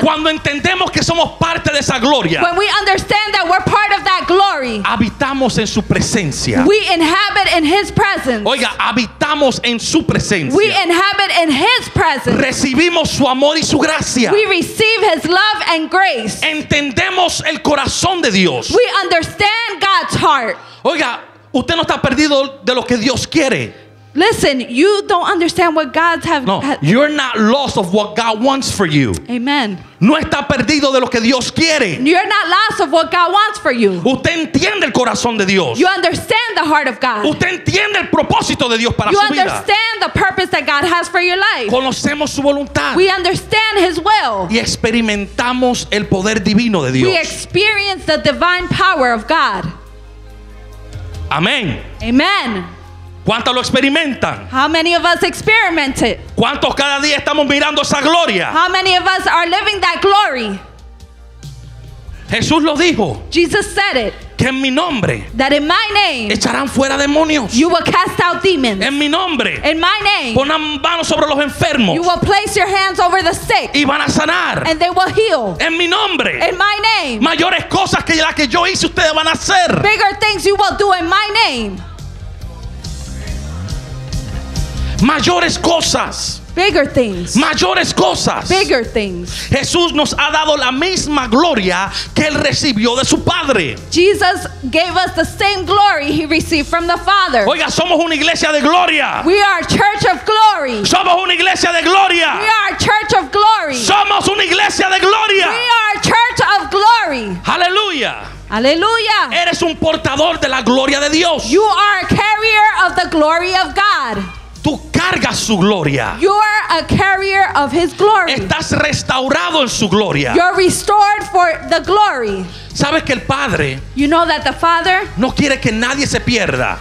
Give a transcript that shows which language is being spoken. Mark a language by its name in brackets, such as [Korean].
[Spanish] Cuando entendemos que somos parte de esa gloria. [English] When we understand that we're part of that glory. [Spanish] Habitamos en su presencia. [English] We inhabit in his presence. [Spanish] Oiga, habitamos en su presencia. [English] We inhabit in his presence. [Spanish] Recibimos su amor y su gracia. [English] We receive his love and grace. [Spanish] Entendemos el corazón de Dios. [English] We understand God's heart. [Spanish] Oiga, usted no está perdido de lo que Dios quiere. [English] Listen, you don't understand what God has. No, you're not lost of what God wants for you. Amen. [Spanish] No está perdido de lo que Dios quiere. [English] You're not lost of what God wants for you. [Spanish] Usted entiende el corazón de Dios. [English] You understand the heart of God. [Spanish] Usted entiende el propósito de Dios para [English] you [Spanish] su vida. [English] You understand the purpose that God has for your life. [Spanish] Conocemos su voluntad. [English] We understand his will. [Spanish] Y experimentamos el poder divino de Dios. [English] We experience the divine power of God. [Spanish] Amén. [English] Amen. [Spanish] ¿Cuántos lo experimentan? [English] How many of us experiment it? [Spanish] ¿Cuántos cada día estamos mirando esa gloria? [English] How many of us are living that glory? [Spanish] Jesús lo dijo. [English] Jesus said it. [Spanish] Que en mi nombre. [English] That in my name. [Spanish] Echarán fuera demonios. [English] You will cast out demons. [Spanish] En mi nombre. [English] In my name. [Spanish] Ponan manos sobre los enfermos. [English] You will place your hands over the sick. [Spanish] Y van a sanar. [English] And they will heal. [Spanish] En mi nombre. [English] In my name. [Spanish] Mayores cosas que las que yo hice ustedes van a hacer. [English] Bigger things you will do in my name. [Spanish] Mayores cosas. [English] Bigger things. [Spanish] Mayores cosas. [English] Bigger things. [Spanish] Jesús nos ha dado la misma gloria que él recibió de su Padre. [English] Jesus gave us the same glory he received from the Father. [Spanish] Oiga, somos una iglesia de gloria. [English] We are a church of glory. [Spanish] Somos una iglesia de gloria. [English] We are a church of glory. [Spanish] Somos una iglesia de gloria. [English] We are a church of glory. [Spanish] Aleluya. Aleluya. Eres un portador de la gloria de Dios. [English] You are a carrier of the glory of God. [Spanish] Tú cargas su gloria. [English] You are a carrier of his glory. [Spanish] Estás restaurado en su gloria. [English] You're restored for the glory. [Spanish] Sabes que el Padre, [English] you know that the Father, [Spanish] no quiere que nadie se pierda.